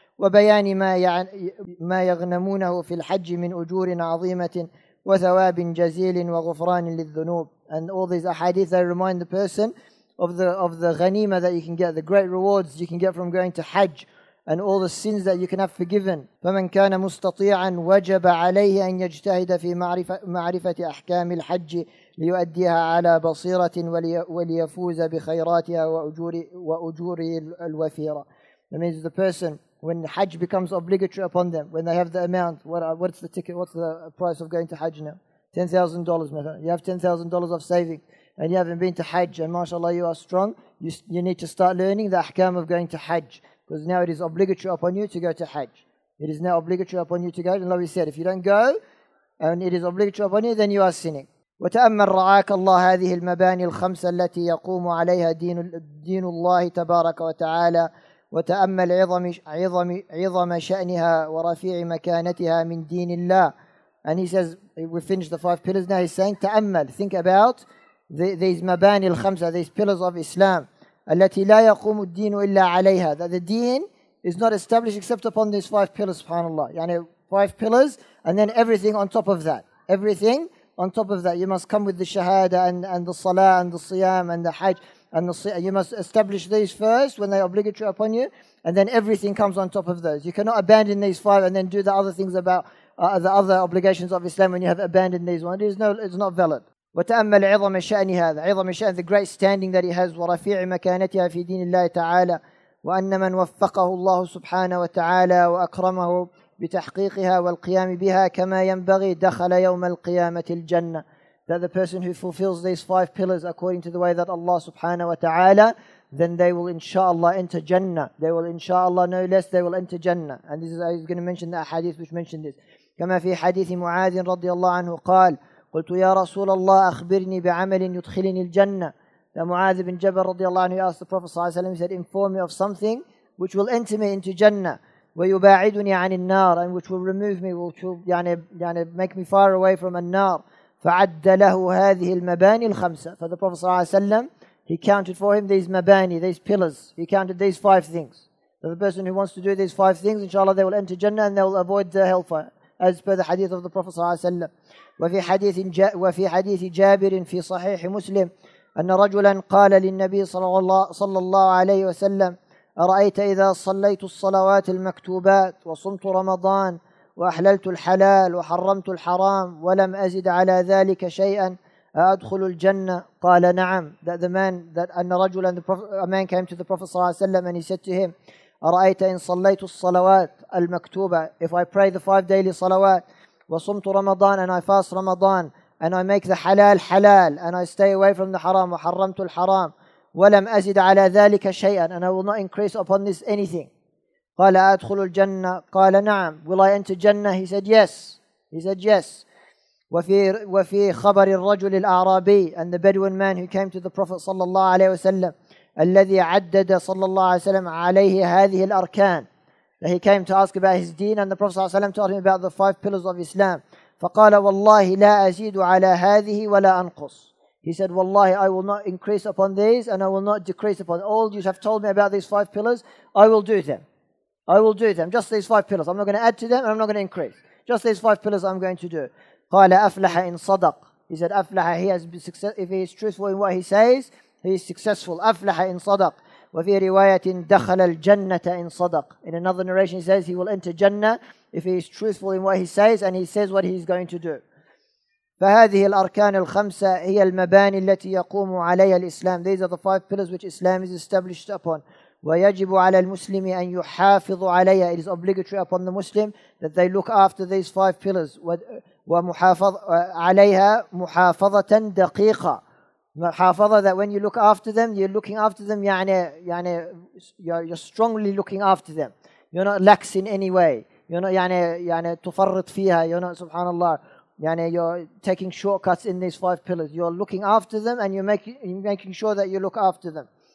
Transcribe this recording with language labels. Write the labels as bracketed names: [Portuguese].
[Arabic] وَبَيَانِ مَا يَغْنَمُونَهُ فِي الْحَجِّ مِنْ أُجُورٍ عَظِيمَةٍ وَثَوَابٍ جَزِيلٍ وَغُفْرَانٍ لِلذُّنُوبِ. [English] And all these ahadith, they remind the person of the ghanima that you can get, the great rewards you can get from going to Hajj, and all the sins that you can have forgiven. [Arabic] فَمَنْ كَانَ مُسْتَطِيعًا وَجَبَ عَلَيْهِ أَنْ يَجْتَهِدَ فِي مَعْرِفَةِ أَحْكَامِ الْحَجِّ ليؤديها على بصيرة وليفوز بخيراتها وأجور الوفيرة. [English] That means the person, when Hajj becomes obligatory upon them, when they have the amount, what's the ticket, what's the price of going to Hajj now? $10,000, [Arabic] مثلا. [English] You have $10,000 of saving, and you haven't been to Hajj, and mashallah you are strong, you need to start learning the ahkam of going to Hajj, because now it is obligatory upon you to go to Hajj. It is now obligatory upon you to go, and like we said, if you don't go, and it is obligatory upon you, then you are sinning. [Arabic] وتأمل رعاك الله هذه المباني الخمسة التي يقوم عليها دين الله تبارك وتعالى وتأمل عظم شأنها ورفيع مكانتها من دين الله. [English] And he says, we finished the five pillars, now he's saying [Arabic] تأمل, [English] think about these [Arabic] مباني الخمسة, [English] these pillars of Islam [Arabic] التي لا يقوم الدين إلا عليها, [English] that the deen is not established except upon these five pillars, subhanAllah. [Arabic] يعني [English] five pillars and then everything on top of that, everything on top of that, you must come with the shahada and the salah and the siyam and the hajj and the siyam. You must establish these first when they are obligatory upon you, and then everything comes on top of those. You cannot abandon these five and then do the other things about the other obligations of Islam when you have abandoned these ones. It's not valid. [Arabic] وتأمل عظم شأن هذا, عظم شأن, [English] the great standing that he has, [Arabic] ورفيع مكانتها في دين الله تعالى, وأن من وفقه الله سبحانه وتعالى وأكرمه بتحقيقها والقيام بها كما ينبغي دخل يوم القيامة الجنة. [English] that the person who fulfills these five pillars according to the way that Allah subhanahu wa ta'ala, then they will inshallah enter Jannah. They will inshallah no less, they will enter Jannah. And this is, I was going to mention the hadith which mentioned this. [Arabic] كما في حديث معاذ رضي الله عنه قال قلت يا رسول الله أخبرني بعمل يدخلني الجنة. [English] معاذ بن جبل [Arabic] رضي الله عنه [English] asked the Prophet صلى الله عليه وسلم, he said, inform me of something which will enter me into Jannah, [Arabic] ويباعدني عن النار, [English] and which will remove me, which will [Arabic] يعني [English] make me far away from النار. [Arabic] فعد له هذه المباني الخمسة. [English] For the Prophet صلى الله عليه وسلم, he counted for him these mabani, these pillars. He counted these five things. So the person who wants to do these five things, inshallah, they will enter Jannah and they will avoid the hellfire, as per the hadith of the Prophet صلى الله عليه وسلم. [Arabic] وفي حديث جابر في صحيح مسلم أن رجلا قال للنبي صلى الله عليه وسلم أرأيت إذا صليت الصلوات المكتوبات وصمت رمضان وأحللت الحلال وحرمت الحرام ولم أزد على ذلك شيئا أدخل الجنة؟ قال نعم. [English] That the man, that [Arabic] أن رجلا, [English] a man came to the Prophet صلى الله عليه وسلم and he said to him, [Arabic] أرأيت إن صليت الصلوات المكتوبة, [English] if I pray the five daily صلوات, [Arabic] وصمت رمضان, [English] and I fast رمضان, and I make the halal halal, and I stay away from the haram, [Arabic] وحرمت الحرام, ولم أزد على ذلك شيئا, [English] and I will not increase upon this anything. [Arabic] قال أدخل الجنة؟ قال نعم. [English] Will I enter Jannah? He said yes. He said yes. [Arabic] وفي خبر الرجل الأعرابي, [English] and the Bedouin man who came to the Prophet [Arabic] صلى الله عليه وسلم, الذي عدد صلى الله عليه وسلم عليه هذه الأركان. [English] He came to ask about his deen, and the Prophet صلى الله عليه وسلم told him about the five pillars of Islam. [Arabic] فقال والله لا أزيد على هذه ولا أنقص. [English] He said, [Arabic] والله, [English] I will not increase upon these and I will not decrease upon them. All you have told me about these five pillars, I will do them. I will do them. Just these five pillars. I'm not going to add to them and I'm not going to increase. Just these five pillars I'm going to do. [Arabic] قال أفلح إن صدق. [English] He said, [Arabic] أفلح, [English] he has been successful. If he is truthful in what he says, he is successful. [Arabic] أفلح إن صدق. وفي رواية دخل الجنة إن صدق. [English] In another narration he says he will enter Jannah if he is truthful in what he says and he says what he is going to do. [Arabic] فهذه الأركان الخمسة هي المباني التي يقوم عليها الإسلام. [English] These are the five pillars which Islam is established upon. [Arabic] ويجب على المسلم أن يحافظ عليها. [English] It is obligatory upon the Muslim that they look after these five pillars. [Arabic] ومحافظ عليها محافظة دقيقة. [English] Muhafaza, that when you look after them, you're looking after them, [Arabic] يعني, [English] you're strongly looking after them. You're not lax in any way. You're not, [Arabic] يعني, تفرط فيها. [English] You're not, subhanAllah, [Arabic] يعني, [English] you're taking shortcuts in these five pillars. You're looking after them and you're making sure that you look after them.